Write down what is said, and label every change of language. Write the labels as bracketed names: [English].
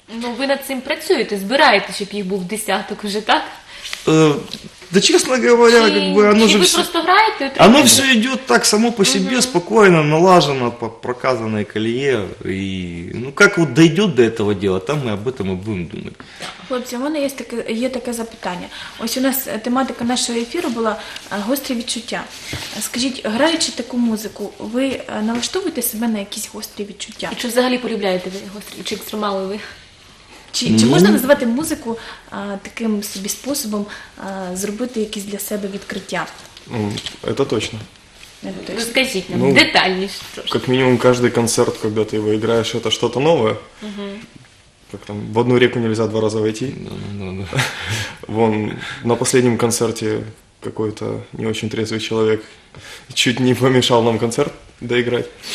[Russian] Ну, вы над этим працюете, собираете, чтобы их был десяток уже, так? Да, честно говоря, [Ukrainian] чи, [Russian] как бы оно же все, просто играете, оно все идет так само по себе, спокойно, налажено, по проказанной колее. И, ну, как вот дойдет до этого дела, там мы об этом и будем думать. [Ukrainian] Хлопці, у мене є таке запитання. Ось у нас тематика нашого ефіру була «Гострі відчуття». Скажіть, граючи таку музику, ви налаштовуєте себе на якісь гострі відчуття? І чи взагалі полюбляєте ви гострі, чи екстремали ви? Чи можна назвати музику таким собі способом зробити якісь для себе відкриття? [Russian] Это точно. [Ukrainian] Розкажіть нам, ну, детальніше трошки. [Russian] Как минимум, каждый концерт, когда ты его играешь, это что-то новое. Угу. Как там, в одну реку нельзя два раза войти. Да. Вон, на последнем концерте какой-то не очень трезвый человек чуть не помешал нам концерт доиграть.